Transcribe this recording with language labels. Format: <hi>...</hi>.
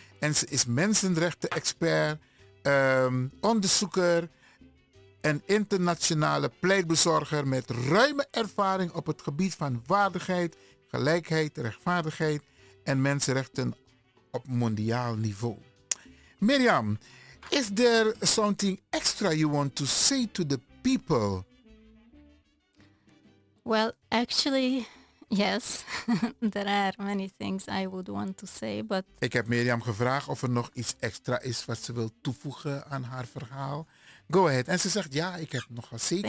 <nl>En ze is mensenrechten-expert, onderzoeker en internationale pleitbezorger met ruime ervaring op het gebied van waardigheid, gelijkheid, rechtvaardigheid en mensenrechten op mondiaal niveau.</nl> <en>Mirjam, is there something extra you want to say to the people? Well, actually, yes, there are many things I would want to say, but...</en> <nl>Ik heb Mirjam gevraagd of er nog iets extra is wat ze wil toevoegen aan haar verhaal.</nl> <en>Go ahead.</en> <nl>En ze zegt, ja, ik heb nog wel zeker</nl>